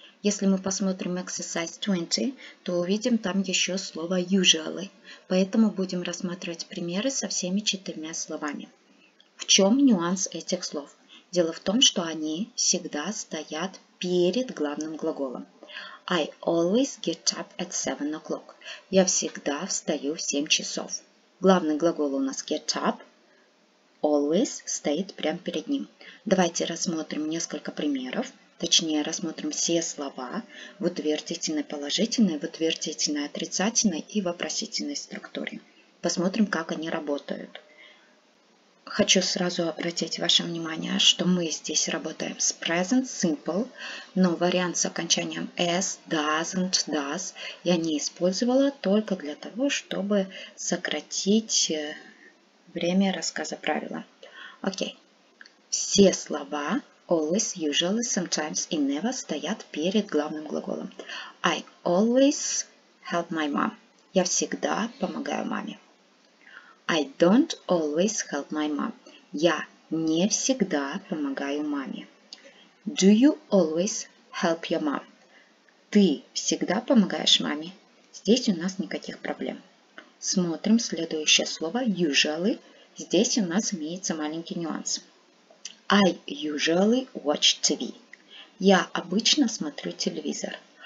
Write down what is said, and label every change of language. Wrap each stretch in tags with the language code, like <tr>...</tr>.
<ru>Если мы посмотрим exercise 20, то увидим там еще слово usually. Поэтому будем рассматривать примеры со всеми четырьмя словами. В чем нюанс этих слов? Дело в том, что они всегда стоят перед главным глаголом.</ru> <en>I always get up at 7 o'clock.</en> <ru>Я всегда встаю в 7 часов. Главный глагол у нас</ru> <en>get up.</en> <ru>Always стоит прямо перед ним. Давайте рассмотрим несколько примеров. Точнее, рассмотрим все слова в утвердительной, положительной, в утвердительной, отрицательной и вопросительной структуре. Посмотрим, как они работают. Хочу сразу обратить ваше внимание, что мы здесь работаем с present simple, но вариант с окончанием s, doesn't, does я не использовала только для того, чтобы сократить время рассказа правила. Окей. Все слова always, usually, sometimes и never стоят перед главным глаголом.</ru> <en>I always help my mom.</en> <ru>Я всегда помогаю маме.</ru> <en>I don't always help my mom.</en> <ru>Я не всегда помогаю маме.</ru> <en>Do you always help your mom?</en> <ru>Ты всегда помогаешь маме? Здесь у нас никаких проблем. Смотрим следующее слово usually. Здесь у нас имеется маленький нюанс.</ru> <en>I usually watch TV.</en> <ru>Я обычно смотрю телевизор.</ru>